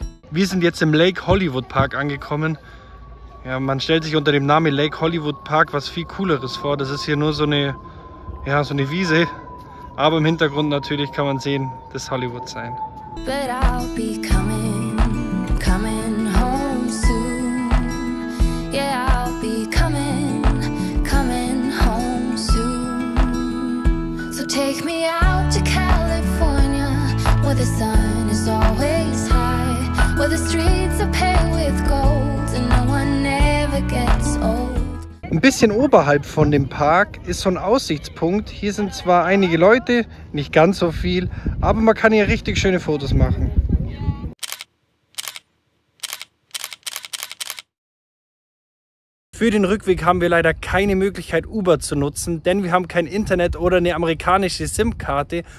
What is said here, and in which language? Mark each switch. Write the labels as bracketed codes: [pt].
[de] Wir sind jetzt im Lake Hollywood Park angekommen. Ja, man stellt sich unter dem Namen Lake Hollywood Park was viel Cooleres vor. Das ist hier nur so eine Wiese. Aber im Hintergrund natürlich kann man sehen, das Hollywood sein. [en] But I'll be coming home soon. Yeah, I'll be coming home soon. So take me out to California where the sun is always high. Where the streets are paved with gold and no one ever gets old. [de] Ein bisschen oberhalb von dem Park ist so ein Aussichtspunkt. Hier sind zwar einige Leute, nicht ganz so viel, aber man kann hier richtig schöne Fotos machen. Für den Rückweg haben wir leider keine Möglichkeit, Uber zu nutzen, denn wir haben kein Internet oder eine amerikanische SIM-Karte.